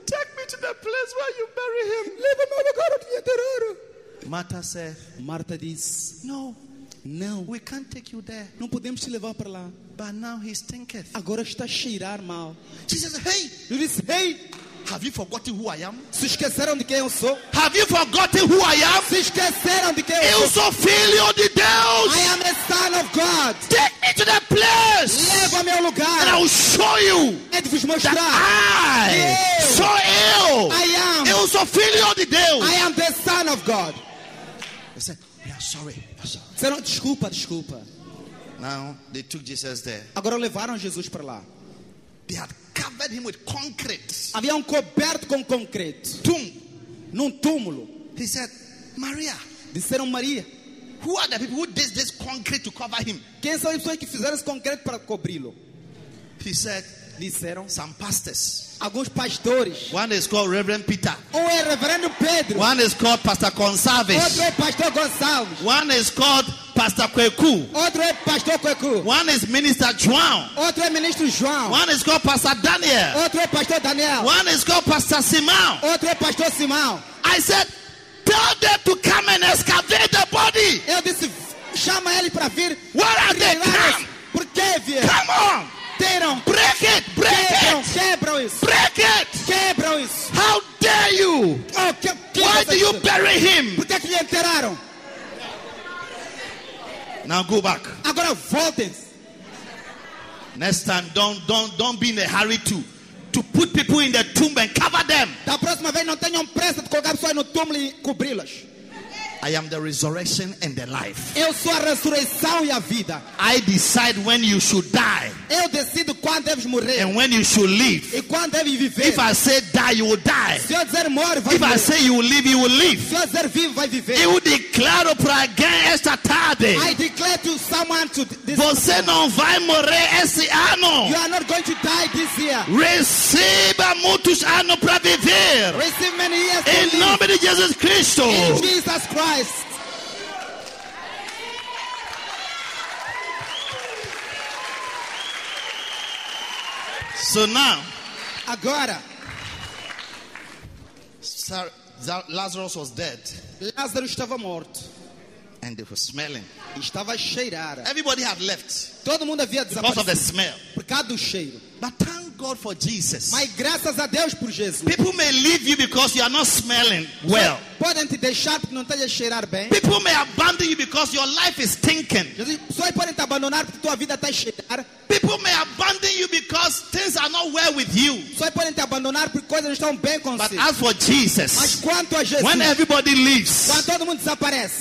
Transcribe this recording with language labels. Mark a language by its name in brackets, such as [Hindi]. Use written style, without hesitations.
[English] Take me to the place where you bury him. [Portuguese] Leva-me ao lugar onde enterraram. [English] Martha said. [Portuguese] Marta diz. [English] No, no. We can't take you there. [Portuguese] Não podemos te levar para lá. [English] But now he stinketh. [Portuguese] Agora está a cheirar mal. [English] Jesus, hey. [Portuguese] Ele diz, hey. [English] Have you forgotten who I am? [Portuguese] Se esqueceram de quem eu sou? [English] Have you forgotten who I am? [Portuguese] Se esqueceram de quem eu sou? Eu sou filho de Deus. [English] I am a son of God. Take me to the place. [Portuguese] Leva-me ao lugar. [English] And I will show you. [Portuguese] É de vos mostrar. [English] That I [Portuguese] sou eu. [English] I am. [Portuguese] Eu sou filho de Deus. [English] I am the son of God. They said, "We are sorry." [Portuguese] Disseram, desculpa. [English] Now they took Jesus there. [Portuguese] Agora levaram Jesus para lá. [English] They had covered him with concrete. [Portuguese] Havia coberto com concreto. [English] Tomb. [Portuguese] Num túmulo. [English] He said, "Maria." [Portuguese] Disseram Maria. [English] Who are the people who did this concrete to cover him? [Portuguese] Quem são as pessoas que fizeram esse concreto para cobri-lo? [English] He said. [Portuguese] Disseram. [English] Some pastors. [Portuguese] Alguns pastores. [English] One is called Reverend Peter. [Portuguese] Um é Reverendo Pedro. [English] One is called Pastor Gonçalves. [Portuguese] Outro é Pastor Gonçalves. [English] One is called Pastor Kweku. [Portuguese] Outro é Pastor Kweku. [English] One is Minister João. [Portuguese] Outro é Ministro João. [English] One is called Pastor Daniel. [Portuguese] Outro é Pastor Daniel. [English] One is called Pastor Simão. [Portuguese] Outro é Pastor Simão. [English] I said, tell them to come and excavate the body. [Portuguese] Eu disse, chama ele para vir. [English] Where are they? Come. [Portuguese] Por que vier? [English] Come on. Teram. Break it. Break [Portuguese] quebram, [English] it. [Portuguese] Quebram isso. [English] Break it. [Portuguese] Quebram isso. [English] How dare you? Oh, why do you bury him? [Portuguese] Por que lhe enterraram? [English] Now go back. [Portuguese] Agora voltem. [English] Next time, don't be in a hurry to put people in the tomb and cover them. [Portuguese] Da próxima vez não tenham pressa de colocar pessoas no túmulo e cobri-las. [English] I am the resurrection and the life. [Portuguese] Eu sou a ressurreição e a vida. [English] I decide when you should die. [Portuguese] Eu decido quando deves morrer. [English] And when you should live. [Portuguese] E quando deves viver. [English] If I say die, you will die. [Portuguese] Se eu dizer morre, vai [English] if [Portuguese] morrer. [English] If I say you will live, you will live. [Portuguese] Se eu dizer vivo, vai viver. Eu declaro para alguém esta tarde. [English] I declare to someone to this. [Portuguese] Você não vai morrer esse ano. [English] You are not going to die this year. [Portuguese] Receba muitos anos para viver. [English] Receive many years [Portuguese] em [English] to live. [Portuguese] Nome de Jesus Cristo. [English] In Jesus Christ. So now, [Portuguese] agora, [English] Lazarus was dead. [Portuguese] Lázaro estava morto. [English] And they were smelling. [Portuguese] Estava a cheirar. [English] Everybody had left. [Portuguese] Todo mundo havia desaparecido. [English] Because of the smell. [Portuguese] Por causa do cheiro. [English] But thank God for Jesus. [Portuguese] Mas graças a Deus por Jesus. [English] People may leave you because you are not smelling well. [Portuguese] Podem te deixar porque não estás a cheirar bem. [English] People may abandon you because your life is stinking. [Portuguese] Pessoas podem te abandonar porque tua vida está a cheirar. [English] People may abandon you because things are not well with you. [Portuguese] Pessoas podem te abandonar porque coisas não estão bem com você. [English] But as for Jesus, [Portuguese] mas quanto a Jesus, [English] when everybody leaves, [Portuguese] quando todo mundo desaparece,